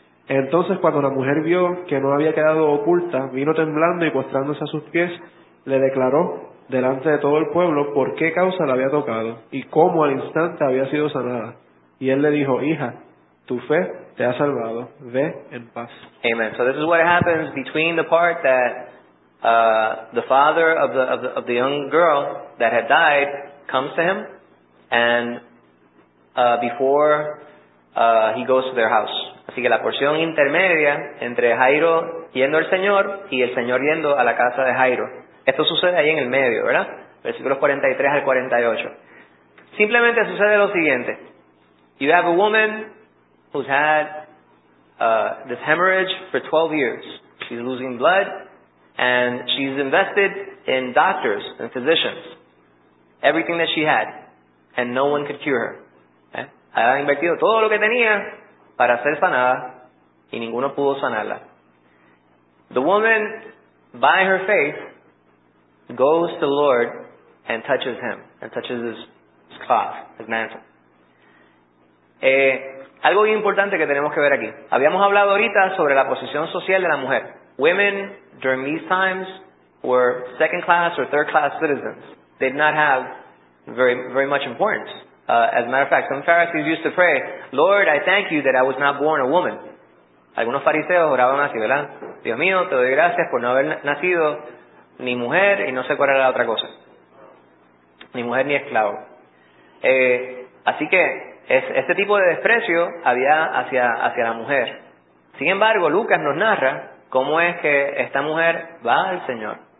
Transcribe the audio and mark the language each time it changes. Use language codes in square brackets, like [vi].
[es] Entonces cuando la mujer vio que no había quedado oculta, vino temblando y postrándose a sus pies, le declaró delante de todo el pueblo por qué causa la había tocado y cómo al instante había sido sanada. Y él le dijo, hija, tu fe te ha salvado, ve en paz. Amen. [en] So this is what happens between the part that the father of the young girl that had died comes to him and before he goes to their house. [es] Así que la porción intermedia entre Jairo yendo al Señor y el Señor yendo a la casa de Jairo. Esto sucede ahí en el medio, ¿verdad? Versículos 43 al 48. Simplemente sucede lo siguiente. [en] You have a woman who's had this hemorrhage for 12 years. She's losing blood and she's invested in doctors and physicians. Everything that she had and no one could cure her. [es] Había invertido todo lo que tenía para ser sanada y ninguno pudo sanarla. [en] The woman, by her faith, goes to the Lord and touches him, and touches his cloth, his mantle. [es] Algo importante que tenemos que ver aquí. Habíamos hablado ahorita sobre la posición social de la mujer. [en] Women, during these times, were second class or third class citizens. They did not have very, very much importance. As a matter of fact, some Pharisees used to pray, Lord, I thank you that I was not born a woman. [es] Algunos fariseos oraban así, ¿verdad? Dios mío, te doy gracias por no haber nacido ni mujer y no sé cuál era la otra cosa. Ni mujer ni esclavo. Así que este tipo de desprecio había hacia la mujer. Sin embargo, Lucas nos narra cómo es que esta mujer va al Señor.